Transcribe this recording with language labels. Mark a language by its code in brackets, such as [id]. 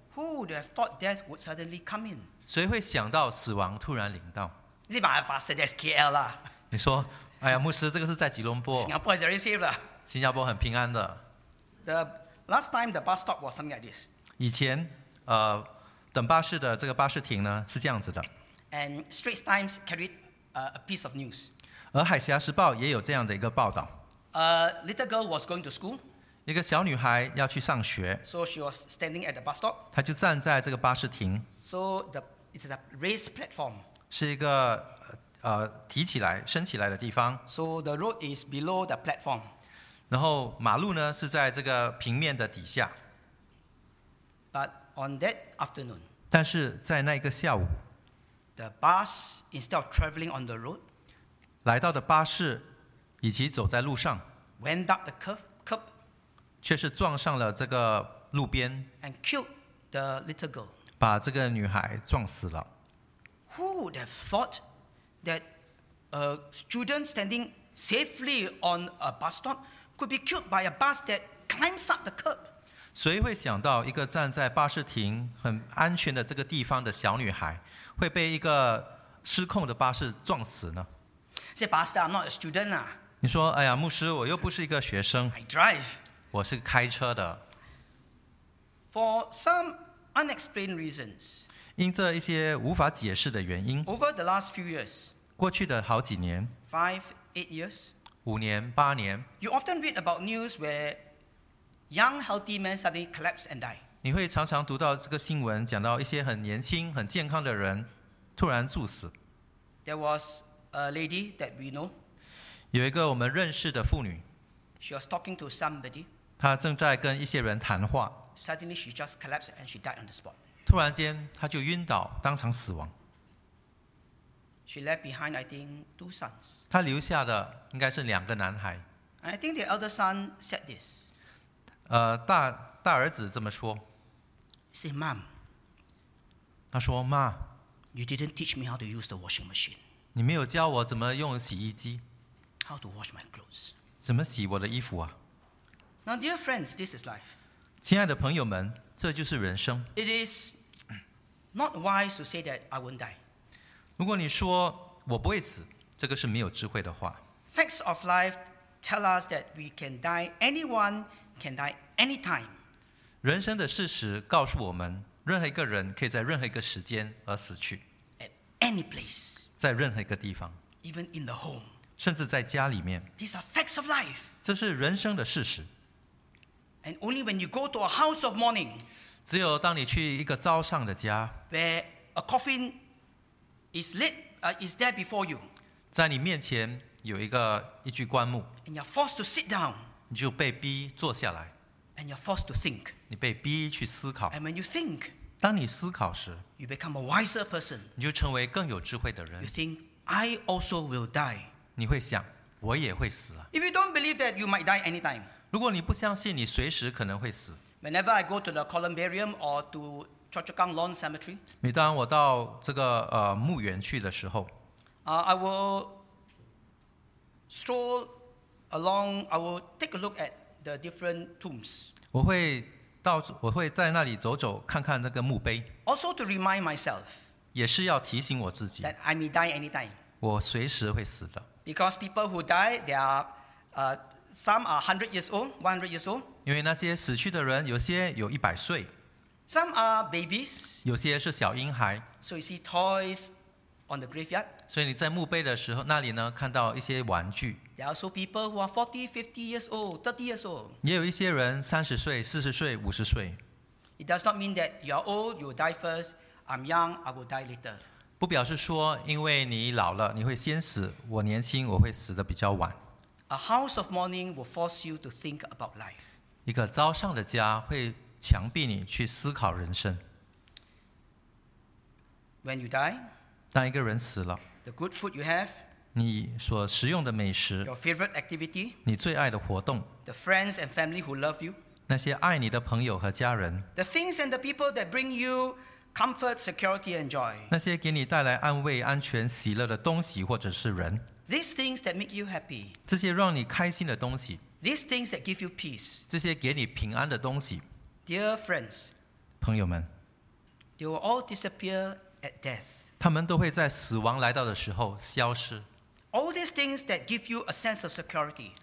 [en] Who would have thought death would suddenly come in? [zh] 谁会想到死亡突然临到？你马来发生在 KL 啦。你说，哎呀，牧师，这个是在吉隆坡。 [en] 新加坡 is very safe 了。 [zh] 新加坡很平安的。 [en] The last time the bus stop was something like this. [zh] 以前，等巴士的这个巴士亭呢是这样子的。 [en] And Straits Times carried a piece of news. [zh] 而海峡时报也有这样的一个报道。 [en] A little girl was going to school. [zh] 一个小女孩要去上学。 [en] So she was standing at the bus stop. [zh] 她就站在这个巴士亭。 [en] So it is a raised platform. [zh] 是一个提起来、升起来的地方。 [en] So the road is below the platform. [zh] 然后马路呢是在这个平面的底下。 [en] But on that afternoon. [zh] 但是在那个下午。 [en] The bus instead of traveling on the road. [zh] 来到的巴士以及走在路上。 [en] Went up the curb. [zh] 却是撞上了这个路边。 [en] And killed the little girl. [zh] 把这个女孩撞死了。 [en] Who would have thought that a student standing safely on a bus stop could be killed by a bus that climbs up the curb? [zh] 谁会想到一个站在巴士亭很安全的这个地方的小女孩会被一个失控的巴士撞死呢？ [en] Say, Pastor, I'm not a student. [zh] 你说，哎呀，牧师，我又不是一个学生。 [en] I drive. [zh] 我是开车的。 [en] For someUnexplained reasons. [zh] 因这一些无法解释的原因。 [en] Over the last few years. [zh] 过去的好几年。 [en] Five, 8 years. [zh] 五年、八年。 [en] You often read about news where young, healthy men suddenly collapse and die. [zh] 你会常常读到这个新闻，讲到一些很年轻、很健康的人突然猝死。 [en] There was a lady that we know. [zh] 有一个我们认识的妇女。 [en] She was talking to somebody. [zh] 她正在跟一些人谈话。 [en] Suddenly, she just collapsed and she died on the spot. [zh] 突然间，她就晕倒，当场死亡。 [en] She left behind, I think, two sons. [zh] 她留下的应该是两个男孩。 [en] And I think the elder son said this. [zh] 大儿子这么说。 [en] Say, Mom. [zh] 他说，妈。 [en] You didn't teach me how to use the washing machine. [zh] 你没有教我怎么用洗衣机。 [en] How to wash my clothes. [zh] 怎么洗我的衣服啊？ [en] Now, dear friends, this is life. [zh] 亲爱的朋友们，这就是人生。 [en] It is not wise to say that I won't die. [zh] 如果你说我不会死，这个是没有智慧的话。 [en] Facts of life tell us that we can die. Anyone can die anytime. [zh] 人生的事实告诉我们，任何一个人可以在任何一个时间而死去。 [en] At any place. [zh] 在任何一个地方。 [en] Even in the home. [zh] 甚至在家里面。 [en] These are facts of life. [zh] 这是人生的事实。 [en] And only when you go to a house of mourning, [zh] 只有当你去一个灶上的家 [en] where a coffin is lit, is there before you, [zh] 在你面前有一具棺木 [en] and you're forced to sit down, [zh] 你就被逼坐下来 [en] and you're forced to think, [zh] 你被逼去思考 [en] and when you think, [zh] 当你思考时 [en] you become a wiser person, [zh] 你就成为更有智慧的人 [en] you think, I also will die, [zh] 你会想我也会死了 [en] if you don't believe that you might die anytime, [zh] 如果你不相信，你随时可能会死。 [en] Whenever I go to the columbarium or to Choa Chu Kang Lawn Cemetery， [zh] 每当我到这个墓园去的时候 [en] ，I will stroll along. I will take a look at the different tombs. [zh] 我会在那里走走，看看那个墓碑。 [en] Also to remind myself， [zh] 也是要提醒我自己 [en] that I may die anytime. [zh] 我随时会死的。 [en] Because people who die, they are Some are 100 years old, 100 years old. [zh] 因为那些死去的人，有些有100岁。 [en] Some are babies. [zh] 有些是小婴孩。 [en] So you see toys on the graveyard. [zh] 所以你在墓碑的时候，那里呢，看到一些玩具。 [en] There are also people who are 40, 50 years old, 30 years old. [zh] 也有一些人30岁、40岁、50岁。 [en] It does not mean that you are old, you die first. I'm young, I will die later. [zh] 不表示说，因为你老了，你会先死，我年轻，我会死得比较晚。 [en] A house of mourning will force you to think about life. [zh] 一个灶上的家会强迫你去思考人生。 [en] When you die, [zh] 当一个人死了 [en] ，the good food you have, [zh] 你所食用的美食 [en] ，your favorite activity, [zh] 你最爱的活动 [en] ，the friends and family who love you, [zh] 那些爱你的朋友和家人 [en] ，the things and the people that bring you comfort, security, and joy, [zh] 那些给你带来安慰、安全、喜乐的东西或者是人。 [en] These things that make you happy. [zh] 这些让你开心的东西。 [en] These things that give you peace. [zh] 这些给你平安的东西。 [en] Dear friends, [zh] 朋友们。 [en] They will all disappear at death. [zh] 他们都会在死亡来到的时候消失。 [en] All these things that give you a sense of security.